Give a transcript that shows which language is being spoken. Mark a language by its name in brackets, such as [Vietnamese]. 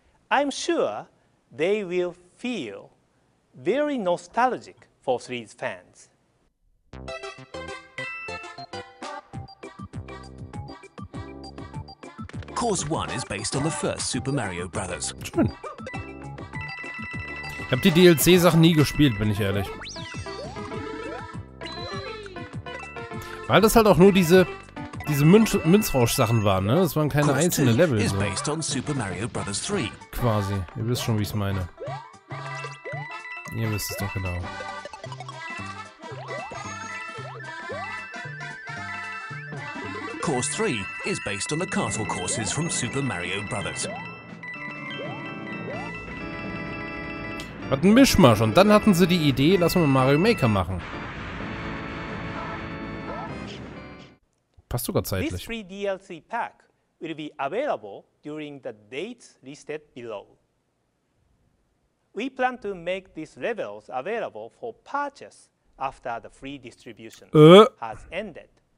[English] I'm sure they will feel very nostalgic for 3D fans. Course 1 is based on the first Super Mario Brothers. [German] Schön. Ich habe die DLC-Sachen nie gespielt, bin ich ehrlich. Weil das halt auch nur diese Münzrausch-Sachen waren, ne? Das waren keine einzelnen Level. [English] Is based on Super Mario Brothers 3. [German] Quasi. Ihr wisst schon, wie ich es meine. Ihr wisst es doch genau. [English] Course 3 is based on the castle courses from Super Mario Brothers. [German] Hat ein Mischmasch und dann hatten sie die Idee, lass mal Mario Maker machen. Passt sogar zeitlich. [English] This free DLC pack will be available during the dates listed below. We plan to make these levels available for purchase after the free distribution has ended.